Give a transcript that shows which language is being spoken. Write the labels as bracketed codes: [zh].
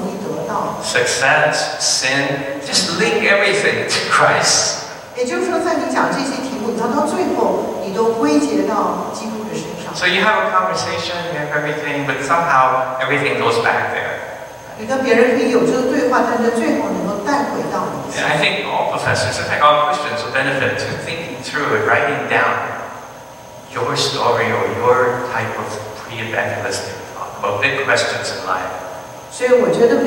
[zh] 比方说，有人问我讲什么是幸福快乐，我就会说什么是幸福快乐，但最难的可能就是说为什么这么不容易得到。 [en] Success, sin, just link everything to Christ. [zh] 也就是说，在你讲这些题目，你都归结到基督的身上。 [en] So you have a conversation, you have everything, but somehow everything goes back there. [zh] 你跟别人可以有这个对话，但是最后能够带回到你。 [en] Yeah, I think all professors, I think all Christians, will benefit to thinking through and writing down your story or your type of pre-evangelistic talk about big questions in life.